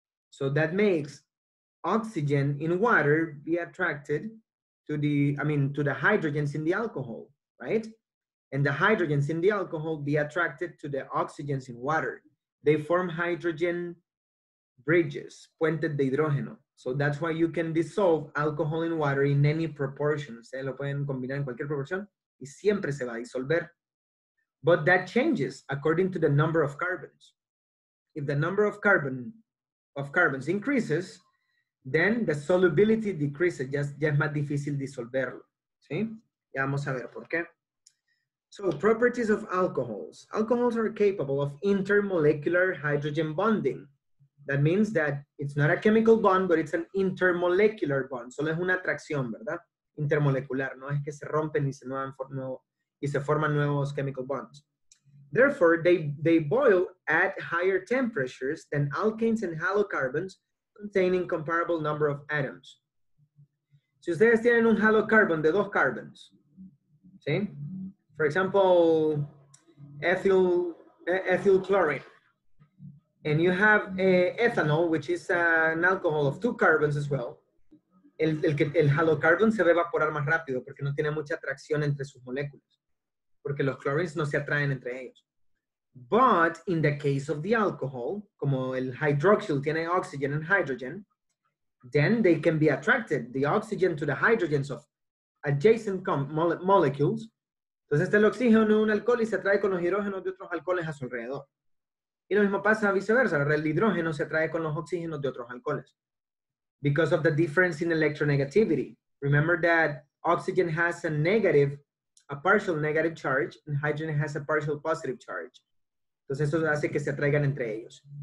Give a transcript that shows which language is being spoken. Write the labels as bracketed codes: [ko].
[en] So that makes oxygen in water be attracted to the hydrogens in the alcohol, right? And the hydrogens in the alcohol be attracted to the oxygens in water. They form hydrogen bridges, [es] puentes de hidrógeno. [en] So that's why you can dissolve alcohol in water in any proportion. [es] Ustedes lo pueden combinar en cualquier proporción y siempre se va a disolver. [en] But that changes according to the number of carbons. If the number of carbons increases, then the solubility decreases. [es] Ya es más difícil disolverlo. ¿Sí? Ya vamos a ver por qué. [en] So, properties of alcohols. Alcohols are capable of intermolecular hydrogen bonding. That means that it's not a chemical bond, but it's an intermolecular bond. [es] Solo es una atracción, ¿verdad? Intermolecular. No es que se rompen y se forman nuevos [en] chemical bonds. Therefore, they boil at higher temperatures than alkanes and halocarbons containing comparable number of atoms. [es] Si ustedes tienen un halocarbon de dos carbons, ¿sí? [en] For example, ethyl chlorine. And you have ethanol, which is an alcohol of two carbons as well. [es] El halocarbon se va a evaporar más rápido porque no tiene mucha atracción entre sus moléculas. Porque los chlorines no se atraen entre ellos. [en] But in the case of the alcohol, [es] como el hydroxyl tiene [en] oxygen and hydrogen, then they can be attracted, the oxygen to the hydrogens of adjacent molecules. [es] Entonces el oxígeno de un alcohol y se atrae con los hidrógenos de otros alcoholes a su alrededor. Y lo mismo pasa viceversa, el hidrógeno se atrae con los oxígenos de otros alcoholes. [en] Because of the difference in electronegativity. Remember that oxygen has a partial negative charge, and hydrogen has a partial positive charge. [es] Entonces eso hace que se atraigan entre ellos.